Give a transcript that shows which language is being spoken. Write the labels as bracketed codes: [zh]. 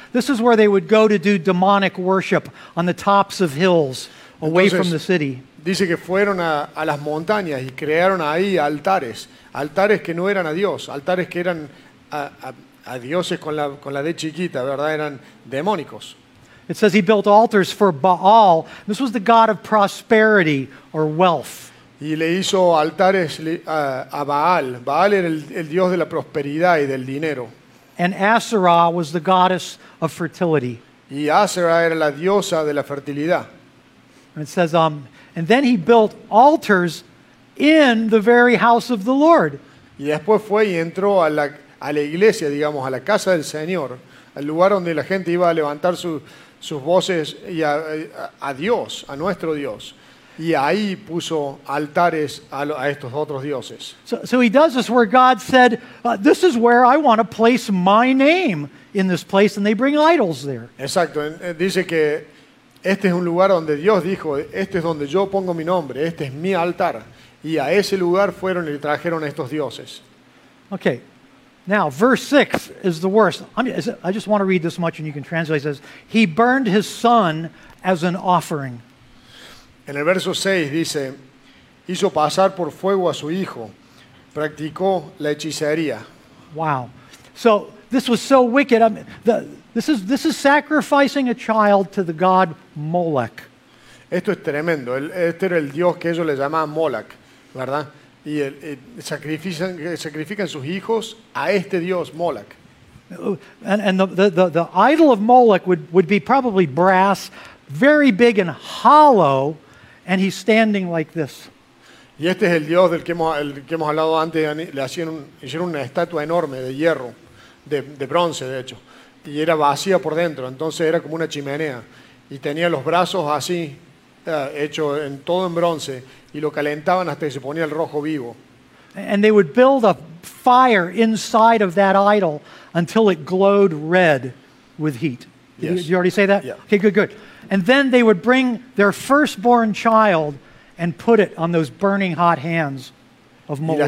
[en] This is where they would go to do demonic worship on the tops of hills away [es] Entonces, [en] from the city. [es] Dice que fueron a las montañas y crearon ahí altares que no eran a Dios, altares que eran a dioses con la de chiquita, ¿verdad? Eran demónicos. [en] It says he built altars for Baal. This was the god of prosperity or wealth. [es] Y le hizo altares a Baal. Baal era el dios de la prosperidad y del dinero. [en] And Asherah was the goddess of fertility. [es] Y Asherah era la diosa de la fertilidad. [en] And it says, and then he built altars in the very house of the Lord. [es] Y después fue y entró a la iglesia, digamos, a la casa del Señor, al lugar donde la gente iba a levantar sus voces y a Dios, a nuestro Dios. Y ahí puso altares a estos otros dioses. [en] So he does this where God said, this is where I want to place my name in this place, and they bring idols there. [es] Exacto. Dice que este es un lugar donde Dios dijo, este es donde yo pongo mi nombre, este es mi altar. Y a ese lugar fueron y trajeron estos dioses. [en] Okay. Now, verse 6 is the worst. I just want to read this much and you can translate. It says, he burned his son as an offering. [es] En el verso 6 dice, hizo pasar por fuego a su hijo, practicó la hechicería. [en] Wow. So this was so wicked. I mean, this is sacrificing a child to the god Molech. [es] Esto es tremendo. Este era el dios que ellos le llamaban Molech, ¿verdad? Y sacrifican sus hijos a este dios Molech. [en] And the idol of Molech would be probably brass, very big and hollow, and he's standing like this. [es] Y este es el dios del que hemos hablado antes. Le hicieron una estatua enorme de hierro, de bronce, de hecho, y era vacía por dentro. Entonces era como una chimenea y tenía los brazos así, hecho en todo en bronce, y lo calentaban hasta que se ponía el rojo vivo. [en] And they would build a fire inside of that idol until it glowed red with heat. Yes. Did you already say that? Yeah. Okay, good, good. And then they would bring their firstborn child and put it on those burning hot hands of Molech.